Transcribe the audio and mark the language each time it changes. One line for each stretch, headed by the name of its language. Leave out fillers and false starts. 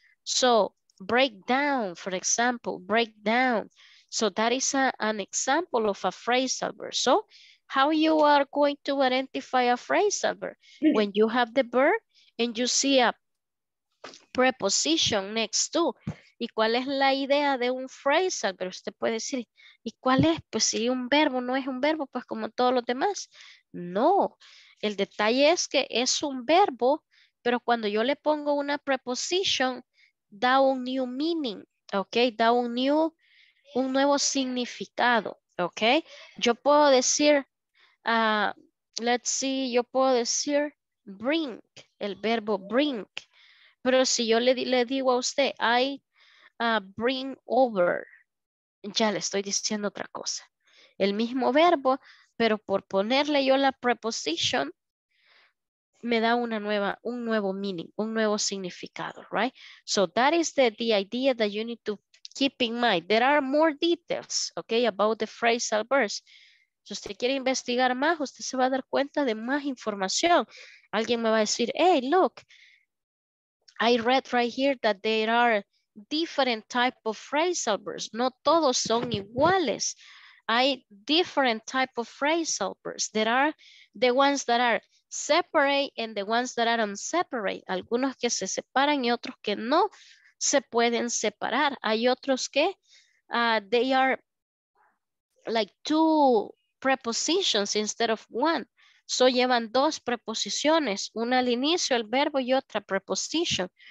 English: So break down, for example, break down. So that is an example of a phrasal verb. So how you are going to identify a phrasal verb? When you have the verb and you see a preposition next to.
Spanish: ¿Y cuál es la idea de un phrasal verb? Usted puede decir, ¿y cuál es? Pues si un verbo no es un verbo, pues como todos los demás. No, el detalle es que es un verbo, Pero cuando yo le pongo una preposición, da un
English: new meaning,
Spanish: ¿ok? Da un new, un nuevo significado, ¿ok? Yo puedo decir,
English: let's see,
Spanish: yo puedo decir bring, el verbo bring. Pero si yo le digo a usted,
English: I bring over,
Spanish: ya le estoy diciendo otra cosa. El mismo verbo, pero por ponerle yo la preposición, me da una nueva, un nuevo meaning, un nuevo significado, right?
English: So that is the idea that you need to keep in mind. There are more details, okay, about the phrasal verbs.
Spanish: Si usted quiere investigar más, usted se va a dar cuenta de más información. Alguien me va a decir,
English: hey, look, I read right here that there are different type of phrasal verbs.
Spanish: No todos son iguales. Hay
English: different type of phrasal verbs. There are the ones that are separate and the ones that are unseparate.
Spanish: Algunos que se separan y otros que no se pueden separar. Hay otros que
English: they are like two prepositions instead of one.
Spanish: So llevan dos preposiciones, una al inicio el verbo y otra preposición.